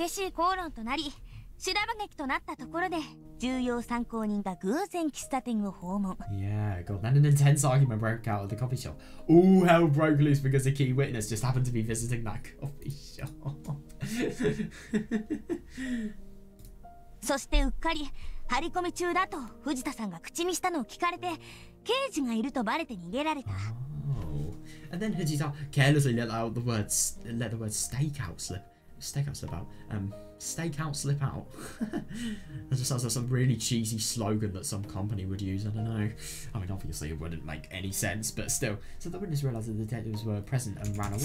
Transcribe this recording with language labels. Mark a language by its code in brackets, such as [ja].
[ja] 喫茶店で激しい口論となり、しらばげきとなったところで 重要参考人が偶然喫茶店を訪問. [en] Yeah, god. Then an intense argument broke out at the coffee shop. All hell broke loose because a key witness just happened to be visiting that coffee shop. [ja] そしてうっかり張り込み中だと藤田さんが口にしたのを聞かれて刑事がいるとバレて逃げられた. [en] Oh. And then Hajita carelessly let the word stakeout slip out. Stakeout slip out. That just sounds like some really cheesy slogan that some company would use, I don't know. I mean, obviously it wouldn't make any sense, but still. So the witness realised the detectives were present and ran away.